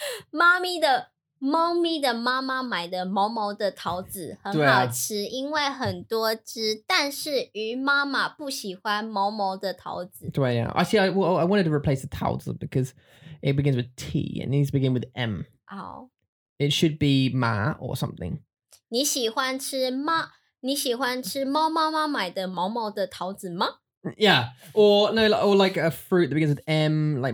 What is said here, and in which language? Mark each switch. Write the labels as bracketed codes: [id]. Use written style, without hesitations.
[zh] 猫咪的妈妈买的毛毛的桃子很好吃、啊、因为很多汁但是鱼妈妈不喜欢毛毛的桃子对啊 [en] I wanted to replace the 桃子 because it begins with T it needs to begin with M、 oh. it should be 马 or something [zh] 你喜欢吃妈你喜欢吃猫妈妈买的毛毛的桃子吗 [en] Yeah, or no, or like a fruit that begins with M, like